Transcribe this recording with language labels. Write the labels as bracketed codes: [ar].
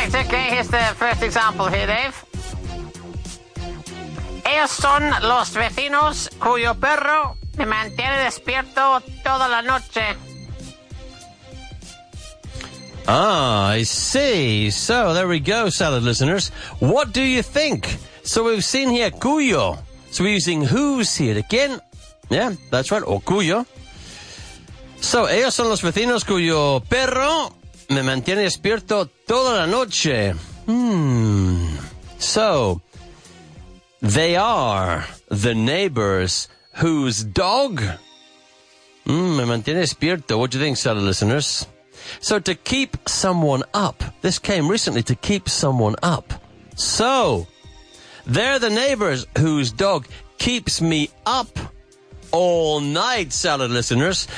[en] Here's the first example here, Dave. [es] Ellos son los vecinos cuyo perro me mantiene despierto toda la noche. [en] Ah, I see. So, there we go, salad listeners. What do you think? So, we've seen here cuyo. So, we're using whose here. Again, yeah, that's right, o cuyo. [es] So, ellos son los vecinos cuyo perro me mantiene despierto toda la noche. [en] So, they are the neighbors whose dog [es] me mantiene despierto. [en] What do you think, salad listeners? So, to keep someone up. This came recently, to keep someone up. So, they're the neighbors whose dog keeps me up all night, salad listeners.